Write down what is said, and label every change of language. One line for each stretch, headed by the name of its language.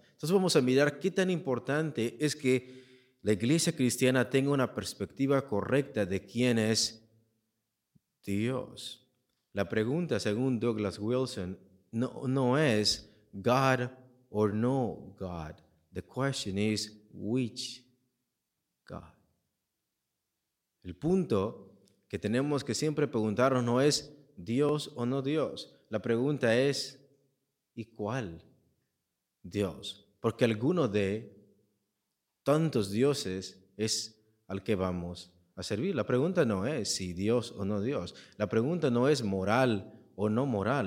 Spanish: Entonces vamos a mirar qué tan importante es que la iglesia cristiana tenga una perspectiva correcta de quién es Dios. La pregunta, según Douglas Wilson, no es
English: God or no God. The question is which God.
Spanish: El punto que tenemos que siempre preguntarnos no es Dios o no Dios. La pregunta es, ¿y cuál Dios? Porque alguno de tantos dioses es al que vamos a servir. La pregunta no es si Dios o no Dios. La pregunta no es moral o no moral.